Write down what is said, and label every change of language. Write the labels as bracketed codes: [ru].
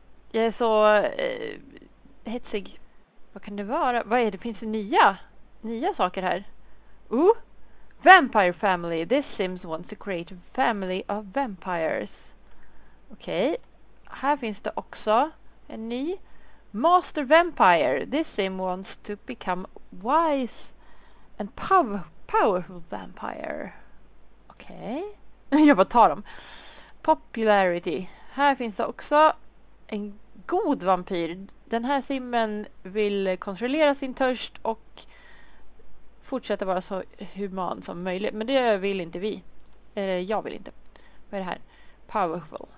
[sv] Jag är så hetsig. Vad kan det vara? Vad är det? Finns det nya saker här? Ooh! [en] Vampire family! This Sims wants to create a family of vampires. Okej. [sv] här finns det också en ny. [en] Master Vampire. This sim wants to become wise and powerful vampire. [sv] Okej. Okay. Jag bara tar dem. Popularity. Här finns det också en god vampyr. Den här simmen vill kontrollera sin törst och fortsätta vara så human som möjligt. Men det vill inte vi. Jag vill inte. Vad är det här? Powerful.